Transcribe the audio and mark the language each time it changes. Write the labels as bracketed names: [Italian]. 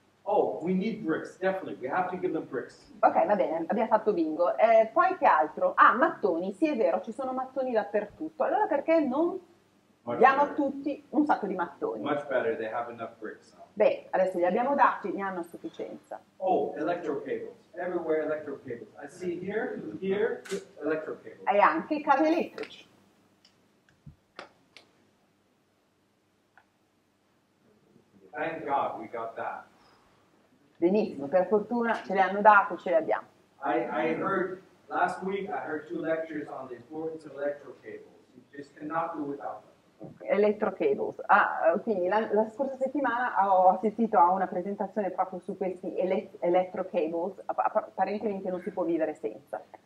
[English] Oh, we need bricks, definitely. We have to give them bricks. [Italian] Ok, va bene, abbiamo fatto bingo. Poi che altro? Ah, mattoni, sì, è vero, ci sono mattoni dappertutto. Allora perché non diamo a tutti un sacco di mattoni? [English] Much better, they have enough bricks now. [Italian] Beh, adesso li abbiamo dati, ne hanno a sufficienza. [English] Oh, electrocables. Everywhere electrocables. I see here, electrocables. [Italian] E anche cavi elettrici. [English] Thank God we got that. [Italian] Benissimo, per fortuna ce le hanno dato, ce le abbiamo. [English] I heard last week I heard two lectures on the importance of electrocables. You just cannot do without them. Electrocables. [Italian] Ah, quindi la scorsa settimana ho assistito a una presentazione proprio su questi electrocables. Apparentemente non si può vivere senza.